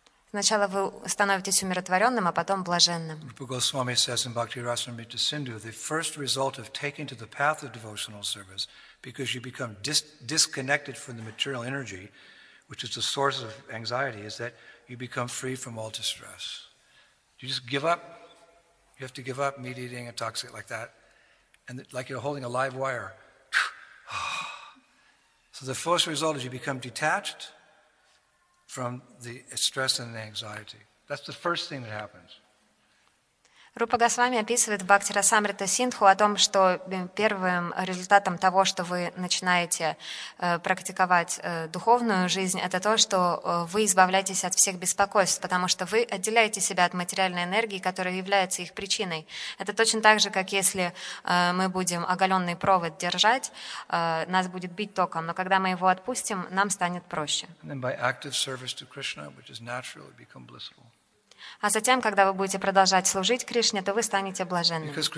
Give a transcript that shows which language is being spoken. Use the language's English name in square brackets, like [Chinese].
[Russian] Сначала вы становитесь умиротворенным, а потом блаженным. [English] Rupa Goswami says in Bhakti Rasamrita Sindhu, the first result of taking to the path of devotional service, because you become disconnected from the material energy, which is the source of anxiety, is that you become free from all distress. You just give up. You have to give up meat eating and toxic like that, and like you're holding a live wire. So the first result is you become detached from the stress and the anxiety. That's the first thing that happens. [Russian] Рупа Госвами описывает в Бхакти Расамрита Синдху о том, что первым результатом того, что вы начинаете практиковать духовную жизнь, это то, что вы избавляетесь от всех беспокойств, потому что вы отделяете себя от материальной энергии, которая является их причиной. Это точно так же, как если мы будем оголенный провод держать, нас будет бить током, но когда мы его отпустим, нам станет проще. [English] And then by active service to Krishna, which is natural, we become blissful. [Russian] А затем, когда вы будете продолжать служить Кришне, то вы станете блаженными.